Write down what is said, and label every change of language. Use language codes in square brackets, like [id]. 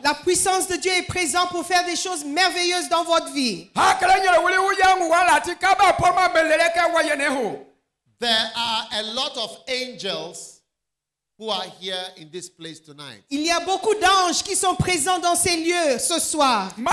[fr] La puissance de Dieu est présente pour faire des choses merveilleuses dans votre vie. [en] There are a lot of angels who are here in this place tonight. [fr] Il y a beaucoup d'anges qui sont présents dans ces lieux ce soir.